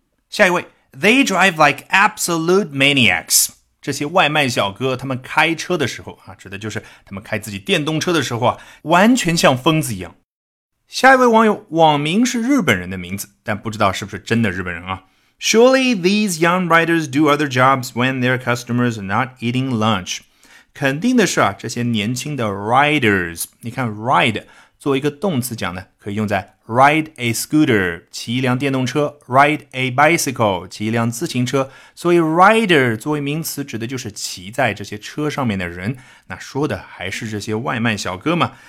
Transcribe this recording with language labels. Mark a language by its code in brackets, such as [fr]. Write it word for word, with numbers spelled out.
[zh] 下一位 [en] They drive like absolute maniacs， [zh] 这些外卖小哥他们开车的时候啊，指的就是他们开自己电动车的时候啊，完全像疯子一样。下一位网友网名是日本人的名字，但不知道是不是真的日本人啊。 [en] Surely these young riders do other jobs when their customers are not eating lunch。 [zh] 肯定的是啊，这些年轻的 riders， 你看 ride 作为一个动词讲呢，可以用在 [en] ride a scooter [zh] 骑一辆电动车， [en] ride a bicycle [zh] 骑一辆自行车，所以 rider 作为名词指的就是骑在这些车上面的人，那说的还是这些外卖小哥嘛。